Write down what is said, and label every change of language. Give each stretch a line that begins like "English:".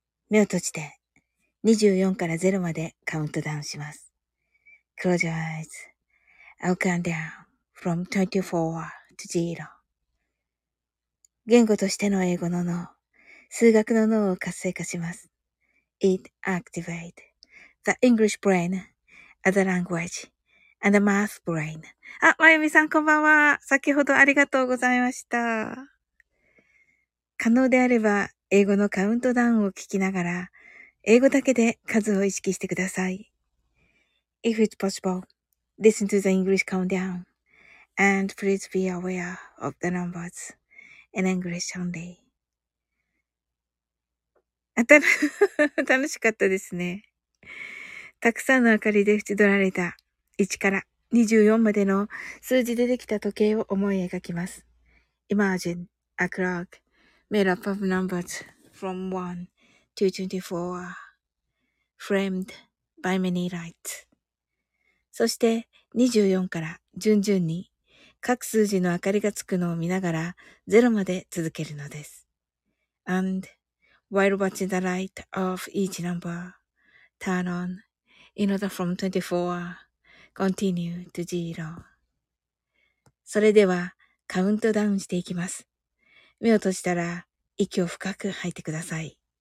Japanese: 目を閉じて24から0までカウントダウンします。
English: Close your eyes. I'll count down from 24 to 0.
Japanese: 言語としての英語の脳、数学の脳を活性化します。
English: It activates. The English brain, the language, and the math brain.
Japanese: あ、まゆみさんこんばんは。先ほどありがとうございました。可能であれば、英語のカウントダウンを聞きながら、英語だけで数を意識してください。
English: If it's possible, listen to the English countdown, and please be aware of the numbers in English only.
Japanese: 楽しかったですね。たくさんの明かりで縁取られた1から24までの数字でできた時計を思い描きます。
English: Imagine a clock made up of numbers from 1 to 24 framed by many lights.
Japanese: そして24から順々に各数字の明かりがつくのを見ながら0まで続けるのです。
English: And while watching the light of each number, turn on. In order from 24, continue to zero.
Japanese: それではカウントダウンしていきます。目を閉じたら息を深く吐いてください。